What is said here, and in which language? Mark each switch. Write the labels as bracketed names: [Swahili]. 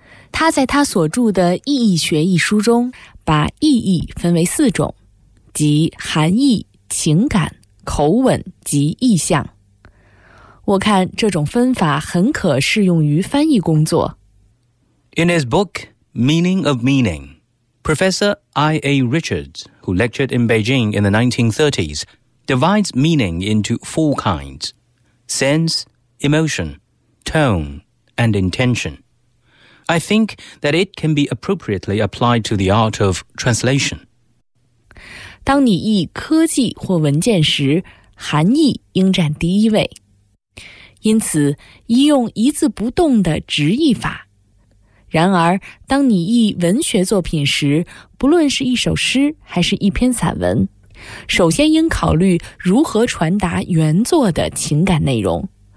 [Chinese] 他在他所著的《意义学》一书中，把意义分为四种，即含义、情感、口吻及意象。我看这种分法很可适用于翻译工作。 [English] In his book, Meaning of Meaning, Professor I.A. Richards, who lectured in Beijing in the 1930s, divides meaning into four kinds: sense, emotion, tone, and intention. I think that it can be appropriately applied to the art of translation. [Chinese] 当你译科技或文件时，含义应占第一位。因此，一用一字不动的直译法。然而，当你译文学作品时，不论是一首诗还是一篇散文，首先应考虑如何传达原作的情感内容。